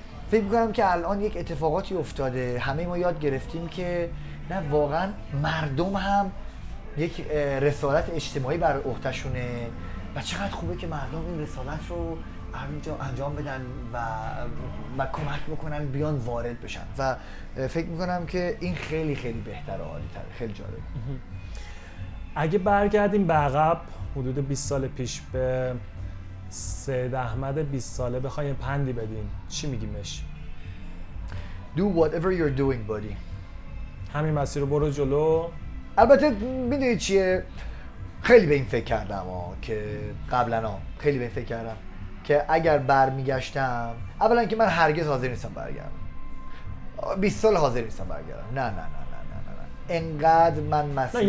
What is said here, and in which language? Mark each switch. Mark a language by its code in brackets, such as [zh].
[fa] فکر میکنم که الان یک اتفاقاتی افتاده، همه ما یاد گرفتیم که نه واقعا مردم هم یک رسالت اجتماعی بر عهده‌شونه و چقدر خوبه که مردم این رسالت رو انجام بدن و کمک بکنن بیان وارد بشن و فکر میکنم که این خیلی خیلی بهتر و عالی تر، خیلی جالب. اگه برگردیم به عقب حدود 20 سال پیش به سید احمد 20 ساله بخوایم پندی بدین، چی میگیمش؟ [en] Do whatever you're doing buddy. [fa] همین مسیر رو برو جلو. البته میدونی چیه، خیلی به این فکر کردم ها، که قبلا خیلی به این فکر کردم که اگر برمیگشتم، اولا که من هرگز حاضر نیستم برگردم، 20 سال حاضر نیستم برگردم، نه نه نه نه نه نه، انقدر من مسیر،